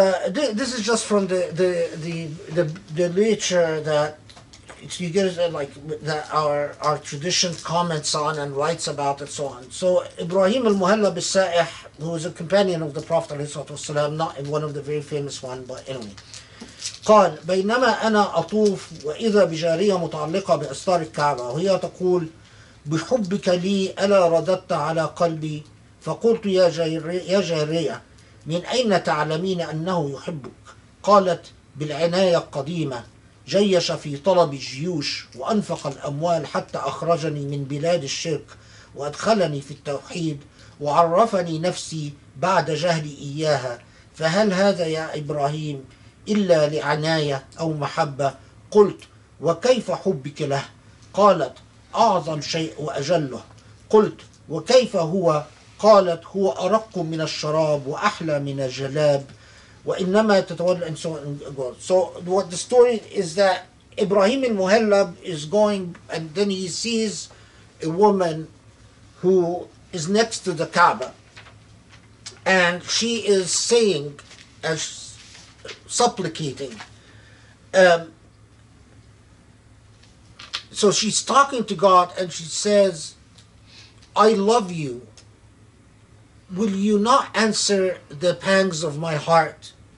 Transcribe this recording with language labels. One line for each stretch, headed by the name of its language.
English: This is just from the literature that you get, like, that our tradition comments on and writes about and so on. So Ibrahim al-Muhallab al-Sa'ih, who was a companion of the Prophet alayhi salatu wasalam, not one of the very famous one, but anyway.
Arabic: قال بينما أنا أطوف وإذا بجارية متعلقة بأستار الكعبة وهي تقول بحبك لي ألا رددت على قلبي فقلت يا جارية من أين تعلمين أنه يحبك؟ قالت بالعناية القديمة جيش في طلب الجيوش وأنفق الأموال حتى أخرجني من بلاد الشرك وأدخلني في التوحيد وعرفني نفسي بعد جهلي إياها فهل هذا يا إبراهيم إلا لعناية أو محبة؟ قلت وكيف حبك له؟ قالت أعظم شيء وأجله. قلت وكيف هو؟ قالت هو أرق من الشراب وأحلى من الجلاب وإنما تتولى.
English: And so on. So what the story is that Ibrahim al-Muhallab is going and then he sees a woman who is next to the Kaaba and she is saying, as supplicating, so she's talking to God and she says, I love you, will you not answer the pangs of my heart?